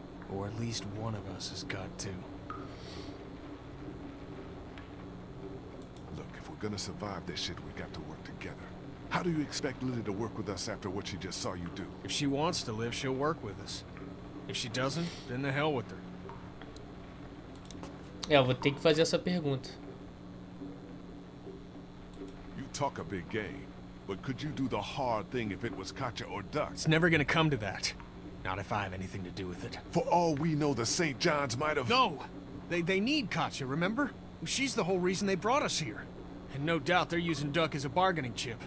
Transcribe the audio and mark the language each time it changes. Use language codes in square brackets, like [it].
[en] Or at least one of us has got to. Look, if we're gonna survive this shit, we got to work together. How do you expect Lily to work with us after what she just saw you do? If she wants to live, she'll work with us. If she doesn't, then the hell with her. [pt] É, eu vou ter que fazer essa pergunta. [en] You talk a big game, but could you do the hard thing if it was Katya or Duck? It's never gonna come to that. Not if I have anything to do with it. For all we know, the St. John's might have... No! They need Katya, remember? She's the whole reason they brought us here. And no doubt they're using Duck as a bargaining chip.